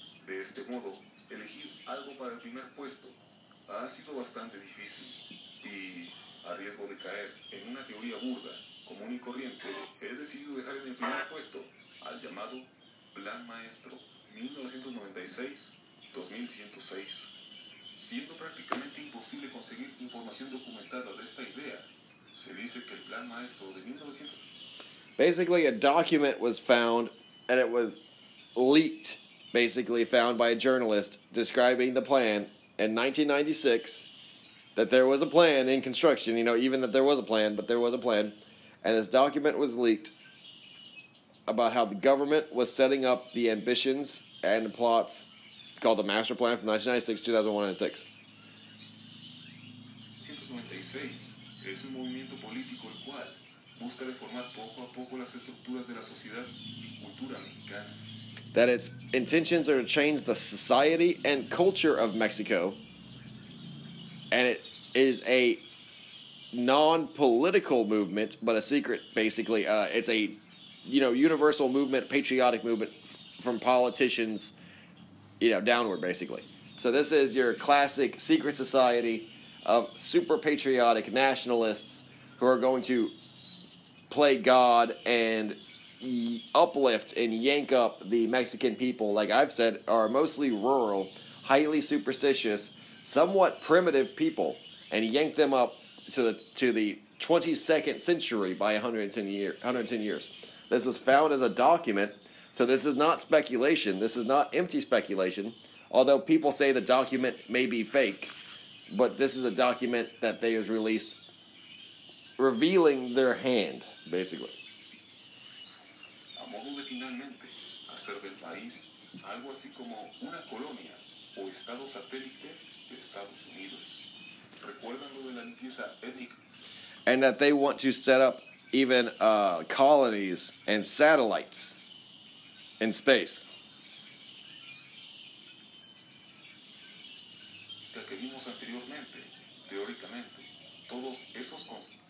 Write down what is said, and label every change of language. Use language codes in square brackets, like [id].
[es] De este modo, elegir algo para el primer puesto ha sido bastante difícil, y a riesgo de caer en una teoría burda, común y corriente, he decidido dejar en el primer puesto al llamado Plan Maestro. 1996-2106. Siendo prácticamente imposible conseguir información documentada de esta idea, se dice que el plan maestro de 1900... [en] Basically, a document was found, and it was leaked, basically found by a journalist describing the plan in 1996, that there was a plan in construction, you know, even that there was a plan, but there was a plan, and this document was leaked about how the government was setting up the ambitions and plots called the Master Plan from 1996-2106. [es] 1996 es un movimiento político el cual busca deformar poco a poco las estructuras de la sociedad y cultura mexicana. [en] That its intentions are to change the society and culture of Mexico, and it is a non-political movement, but a secret, basically. It's a, you know, universal movement, patriotic movement, from politicians, you know, downward, basically. So this is your classic secret society of super patriotic nationalists who are going to play God and uplift and yank up the Mexican people, like I've said, are mostly rural, highly superstitious, somewhat primitive people, and yank them up to the 22nd century by 110 years. This was found as a document, so this is not speculation. This is not empty speculation, although people say the document may be fake, but this is a document that they have released revealing their hand, basically. [es] Finalmente, hacer del país algo así como una colonia o estado satélite de Estados Unidos. ¿Recuerdan lo de la limpieza étnica? [en] And that they want to set up even colonies and satellites in space. [es] Lo que vimos anteriormente, teóricamente, todos esos conceptos.